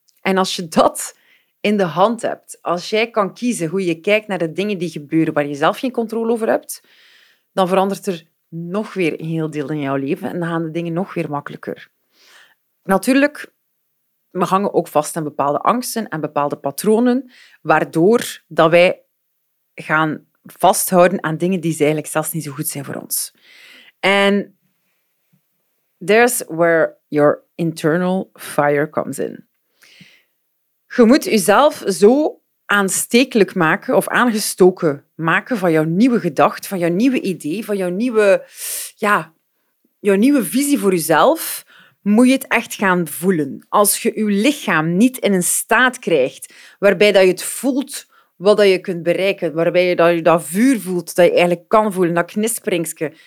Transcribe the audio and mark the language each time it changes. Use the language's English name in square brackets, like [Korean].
[Dutch] En als je dat in de hand hebt, als jij kan kiezen hoe je kijkt naar de dingen die gebeuren waar je zelf geen controle over hebt, dan verandert er nog weer een heel deel in jouw leven en dan gaan de dingen nog weer makkelijker. Natuurlijk, we hangen ook vast aan bepaalde angsten en bepaalde patronen, waardoor dat wij gaan vasthouden aan dingen die eigenlijk zelfs niet zo goed zijn voor ons. En [English] there's where your internal fire comes in. [Dutch] Je moet jezelf zo aanstekelijk maken of aangestoken maken van jouw nieuwe gedachte, van jouw nieuwe idee, van jouw nieuwe visie voor jezelf, moet je het echt gaan voelen. Als je je lichaam niet in een staat krijgt waarbij dat je het voelt wat je kunt bereiken, waarbij je dat vuur voelt, dat je eigenlijk kan voelen, dat knisperingske.